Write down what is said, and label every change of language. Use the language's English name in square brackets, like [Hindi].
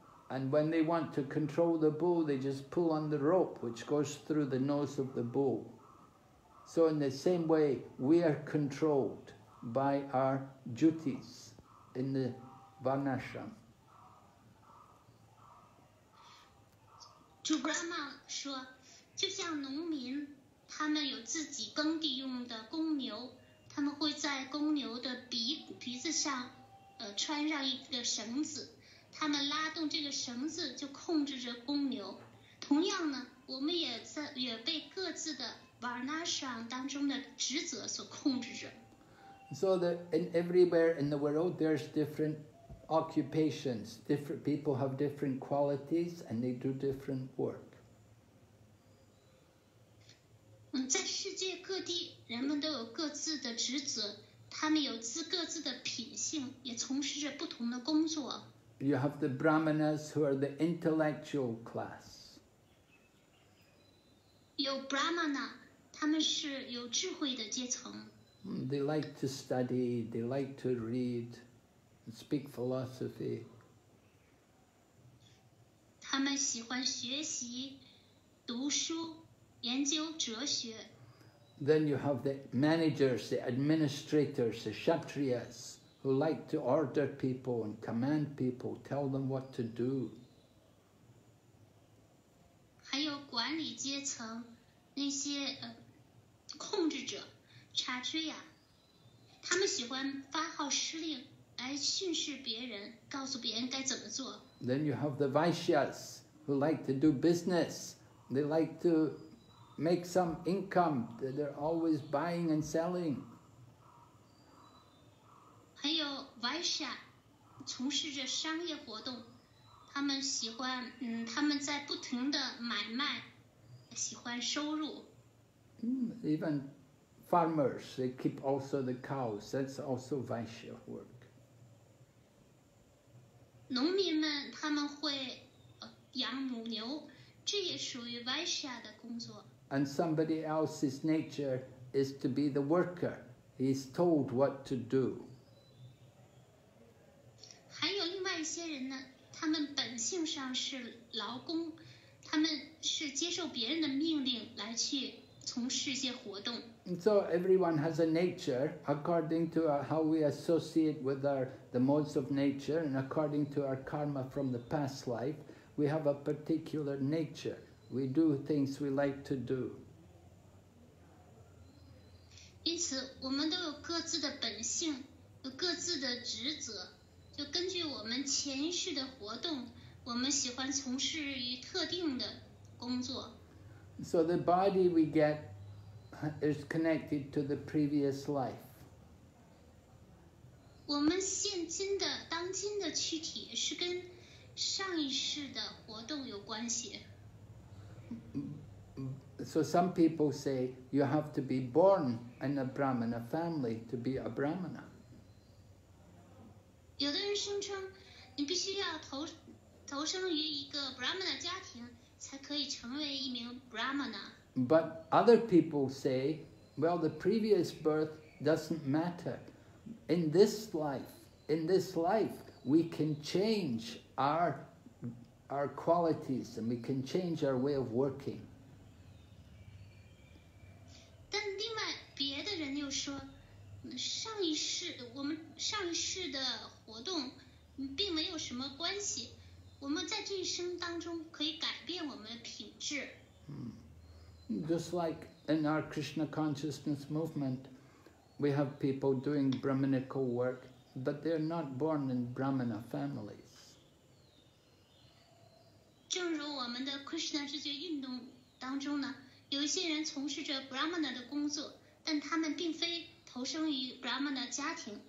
[English] And when they want to control the bull, they just pull on the rope, which goes through the nose of the bull. So in the same way, we are controlled by our duties in the Varnashram. [Chinese] Chu Brahma 说，就像农民，他们有自己耕地用的公牛，他们会在公牛的鼻子上，穿上一个绳子，他们拉动这个绳子就控制着公牛。同样呢，我们也被各自的 Varnashram 当中的职责所控制着。 [English] So that in everywhere in the world, there's different occupations. Different people have different qualities, and they do different work. [Chinese] 在世界各地，人们都有各自的职责，他们有各自的品性，也从事着不同的工作。 [English] You have the brahmanas who are the intellectual class. [Chinese] 有 brahmana， 他们是有智慧的阶层。 [English] They like to study, they like to read, and speak philosophy. [Chinese] 他们喜欢学习、读书、研究哲学。 [English] Then you have the managers, the administrators, the kshatriyas, who like to order people and command people, tell them what to do. [Chinese] 还有管理阶层，那些控制者。 Kshatriya, 他们喜欢发号施令，来训示别人，告诉别人该怎么做。 [English] Then you have the Vaishyas, who like to do business. They like to make some income. They're always buying and selling. [Chinese] 还有 Vaishya, 从事着商业活动，他们喜欢，他们在不停的买卖，喜欢收入。 [English] Even farmers, they keep also the cows. That's also Vaishya work. [Chinese] 农民们他们会养母牛，这也属于 Vaishya 的工作。 [English] And somebody else's nature is to be the worker. He's told what to do. [Chinese] 还有另外一些人呢，他们本性上是劳工，他们是接受别人的命令来去从事一些活动。 [English] And so everyone has a nature according to how we associate with the modes of nature and according to our karma from the past life. We have a particular nature. We do things we like to do. [Chinese] 因此我们都有各自的本性，有各自的职责，就根据我们前世的活动，我们喜欢从事于特定的工作。 [English] So the body we get is connected to the previous life. [Chinese] 我们现今的当今的躯体是跟上一世的活动有关系。 [English] So some people say you have to be born in a Brahmana family to be a Brahmana. [Chinese] 有的人声称你必须要投生于一个 Brahmana 家庭才可以成为一名 Brahmana。 [English] But other people say, well, the previous birth doesn't matter. In this life, in this life, we can change our qualities and we can change our way of working. [Chinese] 但另外别的人又说，上一世我们上一世的活动并没有什么关系，我们在这一生当中可以改变我们的品质。 [English] Just like in our Krishna consciousness movement, we have people doing Brahmanical work, but they are not born in Brahmana families. [Chinese] 正如我们的 Krishna 这些运动当中呢，有一些人从事着 Brahmana 的工作，但他们并非投生于 Brahmana 家庭。